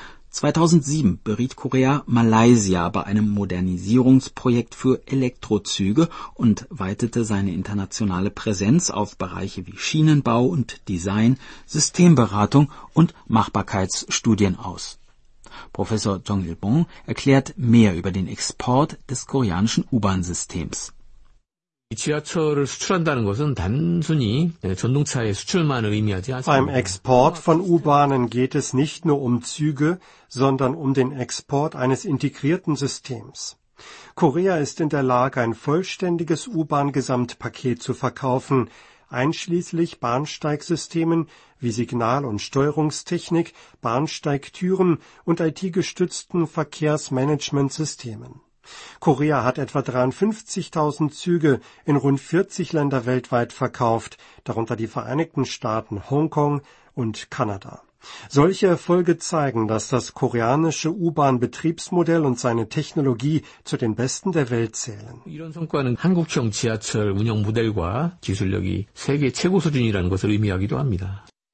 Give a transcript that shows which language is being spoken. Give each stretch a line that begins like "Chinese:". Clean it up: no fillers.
German: 2007 beriet Korea Malaysia bei einem Modernisierungsprojekt für Elektrozüge und weitete seine internationale Präsenz auf Bereiche wie Schienenbau und Design, Systemberatung und Machbarkeitsstudien aus. Professor Jong Il-bong erklärt mehr über den Export des koreanischen U-Bahn-Systems.
Korean: 지하철을 수출한다는 것은 단순히 전동차의 수출만 의미하지 않습니다.
German: Beim Export von U-Bahnen geht es nicht nur um Züge, sondern um den Export eines integrierten Systems. Korea ist in der Lage, ein vollständiges U-Bahn-Gesamtpaket zu verkaufen, einschließlich Bahnsteigsystemen wie Signal- und Steuerungstechnik, Bahnsteigtüren und IT-gestützten Verkehrsmanagementsystemen. Korea hat etwa 53.000 Züge in rund 40 Länder weltweit verkauft, darunter die Vereinigten Staaten, Hongkong und Kanada. Solche Erfolge zeigen, dass das koreanische U-Bahn-Betriebsmodell und seine Technologie zu den besten der Welt zählen.
Korean: 이런 성과는 한국형 지하철 운영 모델과 기술력이 세계 최고 수준이라는 것을 의미하기도 합니다.